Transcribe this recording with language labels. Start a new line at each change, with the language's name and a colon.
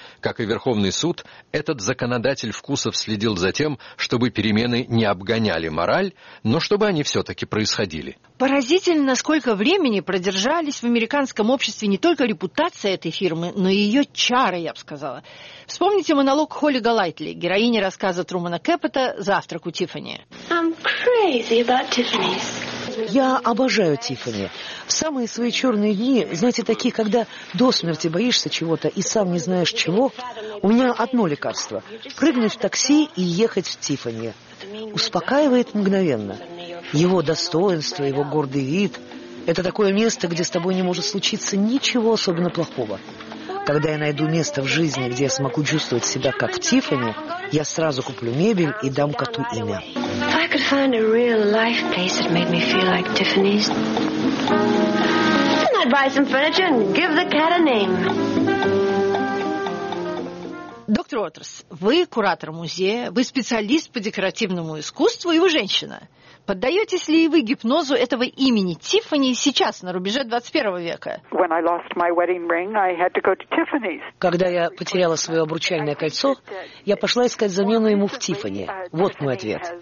Russian: Как и Верховный суд, этот законодатель вкусов следил за тем, чтобы перемены не обгоняли мораль, но чтобы они все-таки происходили. Поразительно, сколько времени продержались в американском обществе не только репутация этой фирмы, но и ее чары, я бы сказала. Вспомните монолог Холли Галайтли, героини рассказа Трумана Кэппета «Завтрак у Тиффани».
English: I'm crazy about Tiffany's.
Russian: Я обожаю Тиффани. В самые свои черные дни, знаете, такие, когда до смерти боишься чего-то и сам не знаешь чего, у меня одно лекарство – прыгнуть в такси и ехать в Тиффани. Успокаивает мгновенно. Его достоинство, его гордый вид – это такое место, где с тобой не может случиться ничего особенно плохого. Когда я найду место в жизни, где я смогу чувствовать себя как в Тиффани, я сразу куплю мебель и дам коту имя.
English: Find a real life place that made me feel like Tiffany's. Then I'd buy some furniture and give the cat a name.
Russian: Доктор Уотерс, вы куратор музея, вы специалист по декоративному искусству и вы женщина. Поддаетесь ли вы гипнозу этого имени Тиффани сейчас, на рубеже 21 века? Когда я потеряла свое обручальное кольцо, я пошла искать замену ему в Тиффани. Вот мой ответ.